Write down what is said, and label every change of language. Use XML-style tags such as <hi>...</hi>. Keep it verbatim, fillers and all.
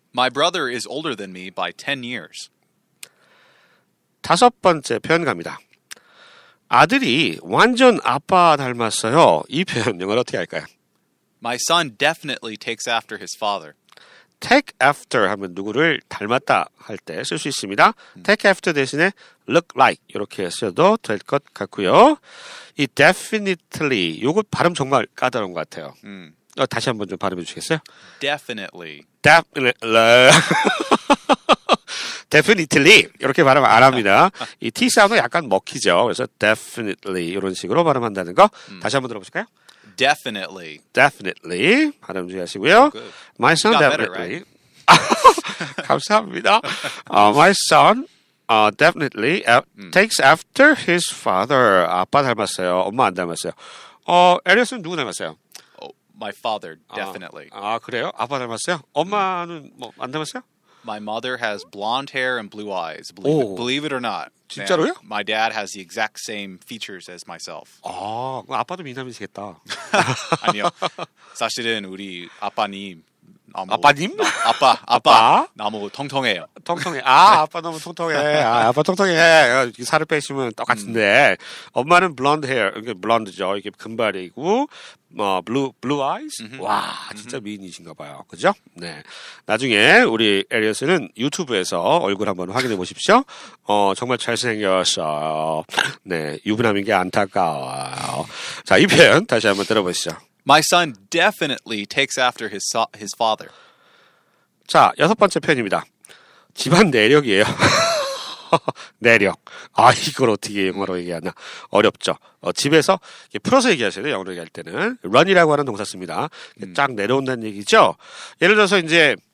<en>My brother is older than me by ten years.</en> <ko>다섯 번째 표현 갑니다. 아들이 완전 아빠 닮았어요. 이 표현 영어로 어떻게 할까요?</ko> <en>My son definitely takes after his father.</en> <ko>take after 하면 누구를 닮았다 할 때 쓸 수 있습니다. 음. take after 대신에 look like 이렇게 써도 될 것 같고요. 이 definitely 요거 발음 정말 까다로운 것 같아요. 음. 어, 다시 한번 좀 발음해 주시겠어요?</ko> <en>definitely</en> <ko>definitely definitely 이렇게 발음 안 합니다. 이 T 사운드 약간 먹히죠. 그래서 definitely 이런 식으로 발음한다는 거 음. 다시 한번 들어보실까요?</ko> <en>Definitely.</en> <ko>Definitely. 발음 주의하시고요.</ko> <en>Good. My son You got better, definitely.</en> <ko>감사합니다.</ko> <en>Uh, my son uh, definitely a- 음. takes after his father.</en> <ko>아빠 닮았어요. 엄마 안 닮았어요. 어, 에리어스는 누구 닮았어요?</ko> <en>Oh, my father, definitely.</en> <ko>아, 그래요? 아빠 닮았어요? 엄마는 뭐 안 닮았어요?</ko> <en>My mother has blonde hair and blue eyes. Believe Oh. it, believe it or not. man,</en> <ko>진짜로요?</ko> <en>My dad has the exact same features as myself.</en> <ko>아, 그럼 아빠도 미남이시겠다. 아니요. 사실은 우리 아빠님 너무- 아빠님? 너- 아빠 아빠? 아빠 너무 통통해요. 통통해. 아, 아빠 너무 통통해. 아, 아빠 통통해. 아, 이렇게 살을 빼시면 똑같은데. 엄마는</ko> <en>blonde hair.</en> <ko>이게 blonde죠. 이게 금발이고, 뭐,</ko> <en>blue, blue eyes?</en> <ko>와, 진짜 미인이신가 봐요. 그죠? 네. 나중에 우리 에리어스는 유튜브에서 얼굴 한번 확인해 보십시오. 어, 정말 잘생겼어요. 네. 유부남인 게 안타까워요. 자, 이 표현 다시 한번 들어보시죠.</ko> <en>My son definitely takes after his so- his father.</en> <ko>자, 여섯 번째 표현입니다. 집안 내력이에요. 내력. 아, 이걸 어떻게 영어로 얘기하나. 어렵죠. 어, 집에서 이렇게 풀어서 얘기하셔야 돼요. 영어로 얘기할 때는. run이라고 하는 동사 씁니다. 쫙 내려온다는 얘기죠. 예를 들어서 이제</ko>